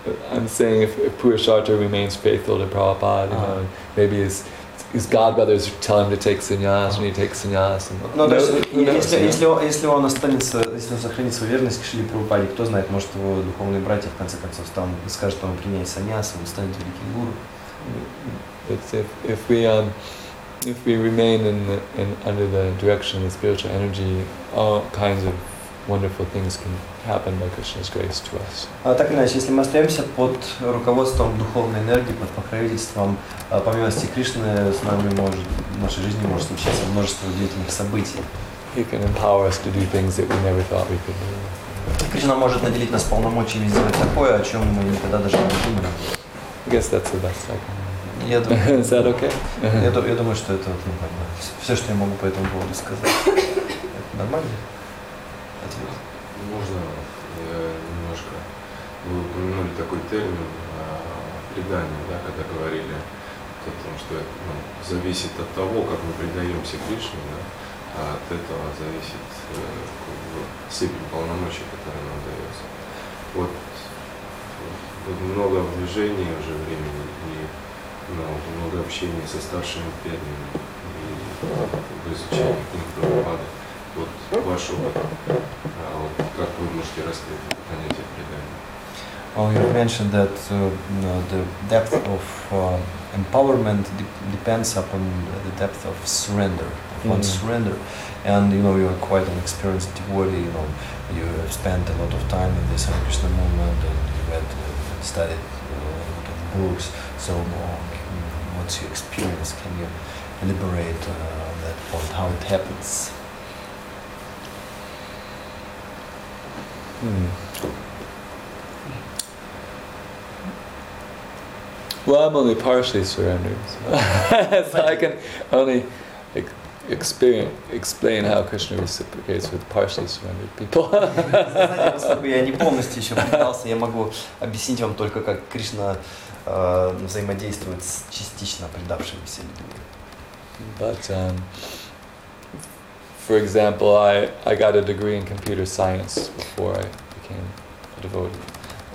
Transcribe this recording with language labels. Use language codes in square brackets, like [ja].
[en] I'm saying if Purusharta remains faithful to Prabhupada, you know, maybe his godbrothers tell him to take sannyas, and he takes sannyas. [ru] Если он сохранит свою верность к Шриле Прабхупаде, кто знает, может его духовные братья в конце концов там скажут, что он принял сannyas, он станет великим гуру. [en] If we remain in under the direction of the spiritual energy, all kinds of wonderful things can happen by Krishna's grace to us. [ru] Так иначе, если мы остаемся под руководством духовной энергии, под покровительством, по милости Кришны, с нами может, в нашей жизни может случиться множество удивительных событий. [en] He can empower us to do things that we never thought we could do. [ru] Кришна может наделить нас полномочиями сделать такое, о чем мы никогда даже не думали. [en] I guess that's the best I can. Is that okay? [ru] Я думаю, что это нормально. Все, что я могу по этому поводу сказать, это нормально. Можно немножко, вы упомянули такой термин предание, да, когда говорили о том, что это зависит от того, как мы предаемся Кришне, да, а от этого зависит степень полномочий, которые нам дается. Вот тут много движений уже времени и много общения со старшими преданными и в изучении книг Прабхупады. [en] Well, you mentioned that the depth of empowerment depends upon the depth of surrender, upon surrender. And you know, you're quite an experienced devotee, you know, you have spent a lot of time in this Hare Krishna movement and you read and studied a lot of books. So, what's your experience? Can you elaborate on that point, how it happens? Well, I'm only partially surrendered, so I can only explain how Krishna reciprocates with partially surrendered people. [ru] Я не полностью еще пытался, я могу объяснить вам только, как Кришна взаимодействует с частично предавшимися людьми. [en] But, for example, I got a degree in computer science before I became a devotee.